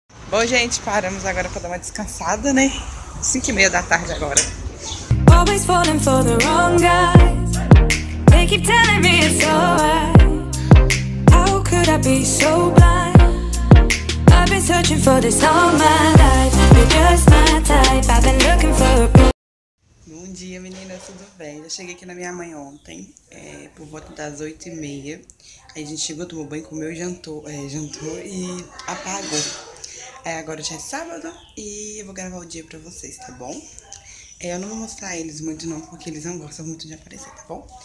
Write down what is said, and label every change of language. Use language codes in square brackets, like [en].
[pt] Bom, gente, paramos agora pra dar uma descansada, né? 5h30 da tarde agora. [en] Always falling for the wrong guys. They keep telling me it's alright. How could I be so blind? I've been searching for this all my life. You're just my type. I've been looking for a boy. [pt] Bom dia, meninas, tudo bem? Eu cheguei aqui na minha mãe ontem, por volta das 8h30. Aí a gente chegou, tomou banho, comeu e jantou e apagou. Agora já é sábado e eu vou gravar o dia pra vocês, tá bom? Eu não vou mostrar eles muito não, porque eles não gostam muito de aparecer, tá bom?